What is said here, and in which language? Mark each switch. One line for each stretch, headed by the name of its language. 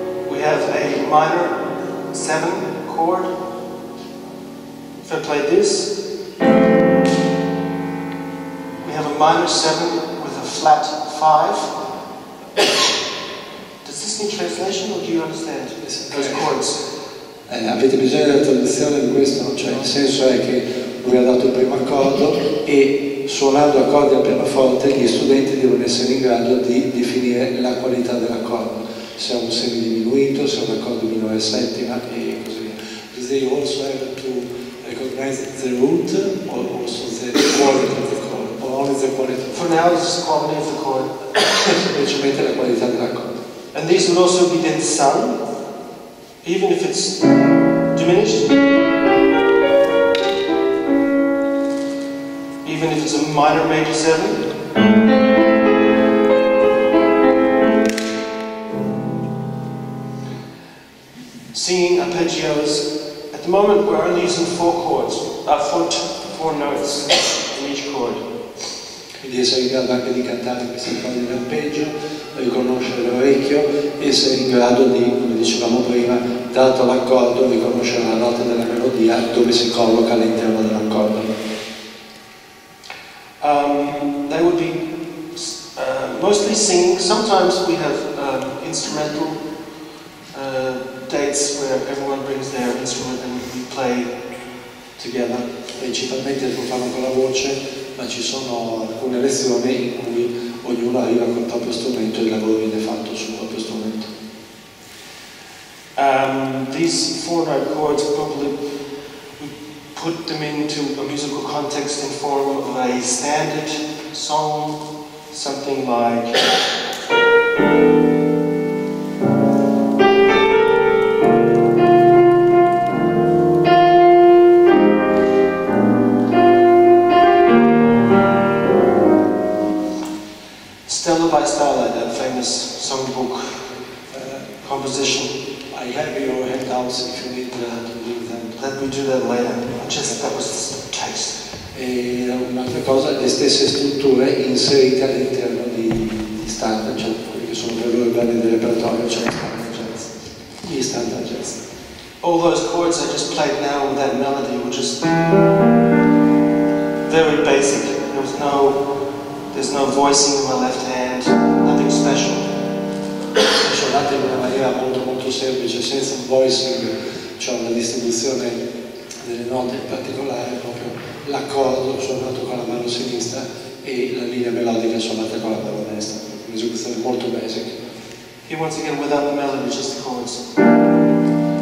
English: We have a minor 7 chord. If I play this, minor 7 with a flat 5. Does this need translation or do you understand those chords?
Italian: Avete bisogno della traduzione di questo? Cioè, il senso è che lui ha dato il primo accordo e suonando accordi al pianoforte gli studenti devono essere in grado di definire la qualità dell'accordo. Se è un semi diminuito, se è un accordo minore settima e così via.
English: Because they also have to recognize the root or also the quality. For now, it's just quality of the chord.
Italian: Semplicemente la qualità dell'accordo.
English: And these would also be then sung, even if it's diminished. Even if it's a minor major 7. Singing arpeggios. At the moment, we're only using four notes in each chord.
Italian: Di essere in grado anche di cantare questi accordi di arpeggio, riconoscere l'orecchio, essere in grado di, come dicevamo prima, dato l'accordo, riconoscere la nota della melodia dove si colloca all'interno dell'accordo.
English: That would be mostly singing. Sometimes we have instrumental dates where everyone brings their instrument and we play together.
Italian: Principalmente lo fanno con la voce, ma ci sono alcune lezioni in cui ognuno arriva con il proprio strumento e il lavoro viene fatto sul proprio strumento.
English: These four note chords, probably we put them into a musical context in form of a standard song, something like. Stella by Starlight, that famous songbook composition. I have your handouts if you need to do them. Let me do that later. Just that was the text.
Italian: E un'altra cosa, le stesse strutture inserite all'interno di standard jazz, cioè, quelli che sono per loro brani del repertorio, cioè standard jazz. Gli standard jazz.
English: All those chords I just played now with that melody were just very basic. There's no voicing in my left hand, nothing special.
Italian: Suonate in una maniera molto molto semplice, senza voicing, cioè una distribuzione delle note in particolare, proprio l'accordo suonato con la mano sinistra e la linea melodica suonata con la mano destra. Un'esecuzione molto basic.
English: Here once again without the melody, just the chords.